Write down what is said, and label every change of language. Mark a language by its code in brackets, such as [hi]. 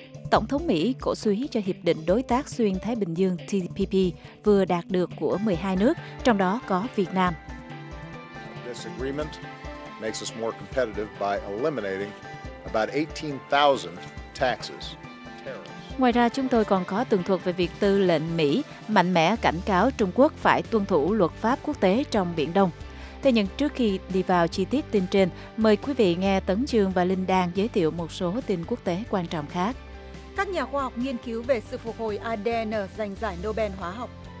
[vi] Tổng thống Mỹ cổ suý cho Hiệp định Đối tác Xuyên Thái Bình Dương TPP vừa đạt được của 12 nước, trong đó có Việt Nam. [en] This agreement makes us more competitive by eliminating about 18,000 taxes. [vi] Ngoài ra, chúng tôi còn có tường thuật về việc Tư lệnh Mỹ mạnh mẽ cảnh cáo Trung Quốc phải tuân thủ luật pháp quốc tế trong Biển Đông. Thế nhưng trước khi đi vào chi tiết tin trên, mời quý vị nghe Tấn Chương và Linh Đan giới thiệu một số tin quốc tế quan trọng khác. Các nhà khoa học nghiên cứu về sự phục hồi ADN giành giải Nobel hóa học.